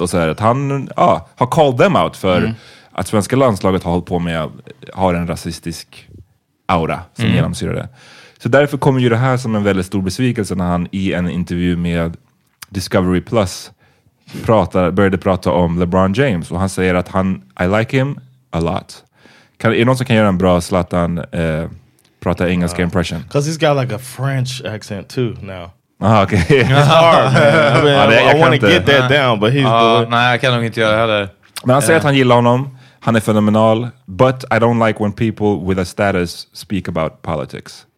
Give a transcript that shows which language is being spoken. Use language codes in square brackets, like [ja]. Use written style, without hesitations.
[sv] Och så här, att han har [en] called them out [sv] för att svenska landslaget har hållit på med har en rasistisk aura som genomsyrar det. Så därför kommer ju det här som en väldigt stor besvikelse när han i en intervju med Discovery Plus började prata om LeBron James. Och han säger att [en] I like him a lot. [sv] Är det någon som kan göra en bra Zlatan... prata engelska impression. [en] Because he's got like a French accent too now. Ah, okay. It's hard, man. I mean, I want to get that down, but he's [sv] nej, jag kan nog inte göra det heller. Men han säger att han gillar honom. Han är fenomenal. [en] But I don't like when people with a status speak about politics.